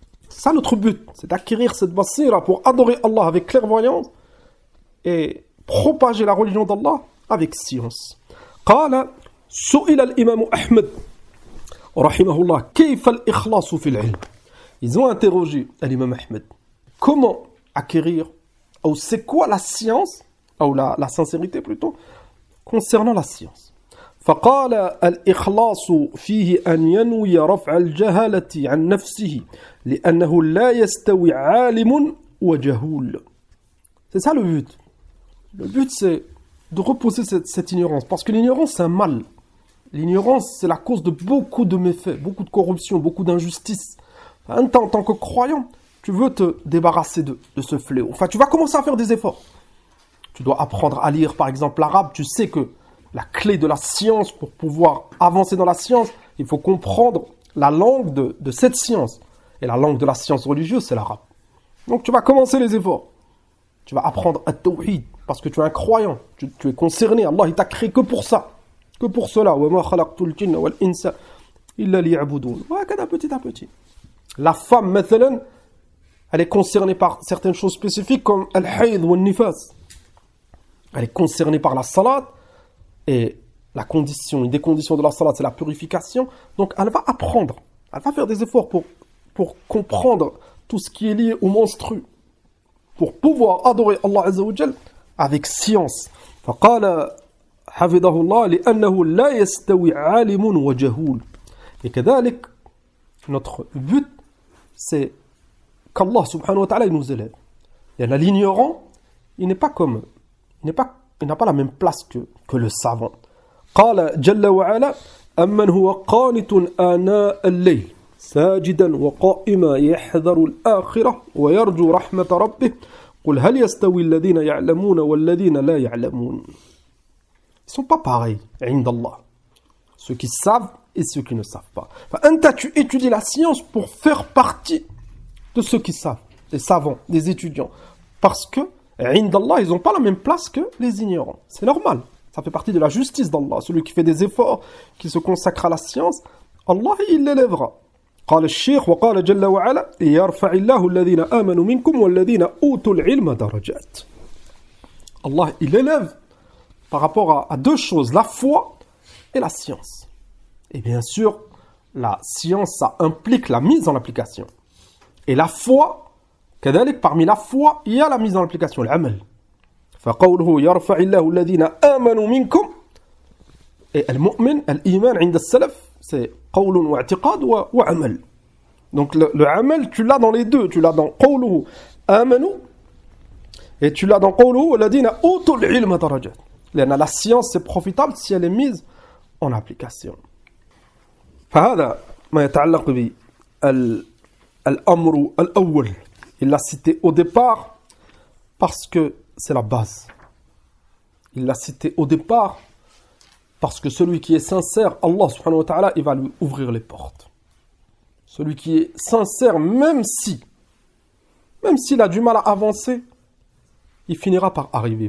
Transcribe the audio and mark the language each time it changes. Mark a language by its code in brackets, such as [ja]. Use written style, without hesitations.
[fr] Ça, notre but, c'est d'acquérir cette basira pour adorer Allah avec clairvoyance et propager la religion d'Allah avec science. [ar] قال سئل الإمام أحمد رحمه الله كيف الإخلاص في العلم. [fr] Ils ont interrogé l'imam Ahmed, comment acquérir ou c'est quoi la science ou la sincérité plutôt concernant la science. [ar] فقال الإخلاص فيه أن ينوي رفع الجهالة عن نفسه لأنه لا يستوي عالم وجهول. [fr] C'est ça le but. Le but, c'est de repousser cette ignorance. Parce que l'ignorance, c'est un mal. L'ignorance, c'est la cause de beaucoup de méfaits, beaucoup de corruption, beaucoup d'injustice. Enfin, en tant que croyant, tu veux te débarrasser de ce fléau. Enfin, tu vas commencer à faire des efforts. Tu dois apprendre à lire, par exemple, l'arabe. Tu sais que la clé de la science, pour pouvoir avancer dans la science, il faut comprendre la langue de cette science. Et la langue de la science religieuse, c'est l'arabe. Donc, tu vas commencer les efforts. Tu vas apprendre à tawhid, parce que tu es un croyant. Tu es concerné. Allah, il t'a créé que pour ça. Que pour cela. [ar] وَمَا خَلَقْتُ الْجِنَّ وَالْإِنْسَ إِلَّا لِيَعْبُدُونَ وَكَدَا [fr] petit à petit. La femme, [ar] مثلاً, [fr] elle est concernée par certaines choses spécifiques comme [ar] الحيض والنفاس. [fr] Elle est concernée par la salat et la condition, une des conditions de la salat, c'est la purification. Donc, elle va apprendre. Elle va faire des efforts pour comprendre tout ce qui est lié au menstru. Pour pouvoir adorer Allah Azza wa Jal avec science. [ar] فقال حفظه الله لأنه لا يستوي عالم وجهول. [fr] Et [ar] كذلك, [fr] notre but, c'est qu'Allah subhanahu wa ta'ala nous élève. Et l'ignorant, il n'est pas comme, il n'a pas la même place que le savant. [ar] قال جل وعلا أمن هو قانت آناء الليل ساجدا وقائما يحذر الآخرة ويرجو رحمة ربه قل هل يستوي الذين يعلمون والذين لا يعلمون. [fr] Ils sont pas pareils [ar] عند الله. [fr] Ceux qui savent et ceux qui ne savent pas. [ar] فأنت [fr] tu étudies la science pour faire partie de ceux qui savent, des savants, des étudiants. Parce que, indallah, ils n'ont pas la même place que les ignorants. C'est normal. Ça fait partie de la justice d'Allah. Celui qui fait des efforts, qui se consacre à la science, Allah, il l'élèvera. [ar] قال الشيخ وقال جل وعلا يرفع الله الذين آمنوا منكم والذين أوتوا العلم درجات. [fr] Allah, il l'élève par rapport à deux choses, la foi et la science. Et bien sûr, la science, ça implique la mise en application. Et la foi, [ar] كذلك [fr] parmi la foi, il y a la mise en application, l'amal. [ar] فقوله يرفع الله الذين آمنوا منكم. Et المؤمن, الإيمان عند السلف, [fr] c'est [ar] قول واعتقاد وعمل. [fr] Donc le عمل, tu l'as dans les deux. Tu l'as dans [ar] قوله آمنوا. [fr] Et tu l'as dans [ar] قوله الذين أوتوا العلم درجات. [fr] La science, c'est profitable si elle est mise en application. [ar] فهذا ما يتعلق بي الأمر الأول. [fr] Il l'a cité au départ parce que c'est la base. Il l'a cité au départ parce que celui qui est sincère, Allah subhanahu wa ta'ala, il va lui ouvrir les portes. Celui qui est sincère, même s'il a du mal à avancer, il finira par arriver.